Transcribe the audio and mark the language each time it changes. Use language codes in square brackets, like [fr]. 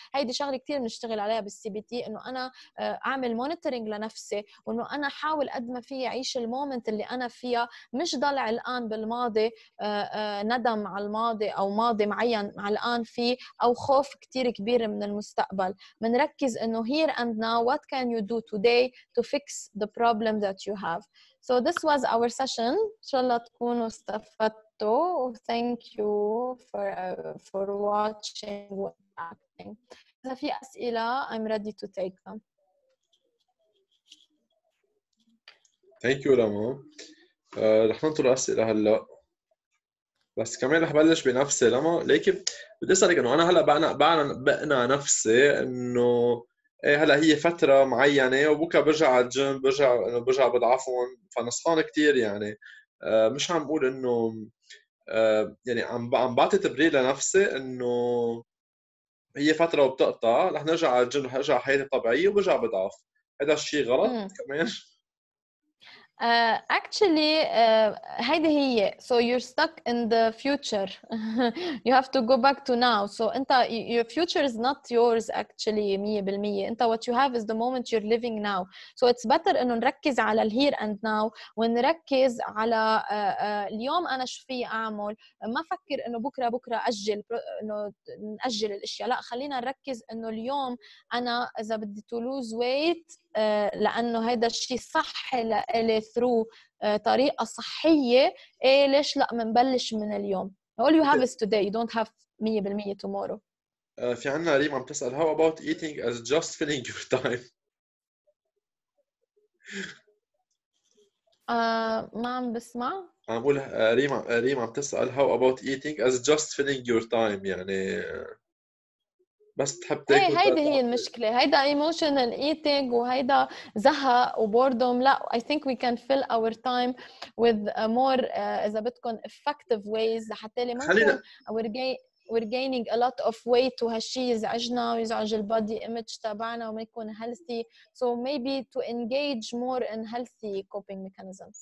[ar] هيدي شغلة كتير بنشتغل عليها بالسي بي تي, انه انا اعمل مونيتورينج لنفسي وانه انا حاول قد ما فيي اعيش المومنت اللي انا فيها, مش ضلع الان بالماضي, ندم على الماضي او ماضي معين مع الان فيه, او خوف كتير كبير من المستقبل. [en] منركز انه here and now, what can you do today to fix the problem that you have. So this was our session. Inshallah tkunu istafadtu. Thank you for watching and acting. If there are questions, I'm ready to take them. [ar] Thank you, Lama. رح ننطر الأسئلة هلا. بس كمان رح بلش بنفسي لما لكن بدي أسألك إنه أنا هلا بعنا نفسي إنه إيه هلا هي فترة معينة وبكرة برجع على الجيم, برجع بضعفهم, فنصحان كتير يعني مش عم بقول إنه يعني عم بعطي تبرير لنفسي إنه هي فترة وبتقطع رح نرجع على الجيم, رح نرجع حياتي طبيعية وبرجع بضعف, هذا الشيء غلط كمان. Actually, هيدي هي. [en] So you're stuck in the future. You have to go back to now. So انت, your future is not yours actually 100%. انت, what you have is the moment you're living now. [ar] So it's better انه نركز على ال here and now, ونركز على اليوم انا شو في اعمل. ما فكر انه بكرة اجل, انه نأجل الاشياء. لا, خلينا نركز انه اليوم انا اذا بدي to lose weight, لأنه هيدا الشيء صحي لإلي through طريقة صحية, إيه ليش لا منبلش من اليوم. [en] All you have is today, you don't have 100% tomorrow. في عنا ريم عم تسأل how about eating as just filling your time. [ar] ما عم بسمع. [en] عم بقول ريم عم تسأل how about eating as just filling your time, يعني بس تحب [ar] تاكل. هيدي هي المشكلة, هيدا emotional eating وهيدا زهق و boredom. [en] لا, I think we can fill our time with more إذا بدكم effective ways حتى لي ما we're gaining a lot of weight وهالشي يزعجنا ويزعج البادي image تبعنا وما يكون healthy. So maybe to engage more in healthy coping mechanisms.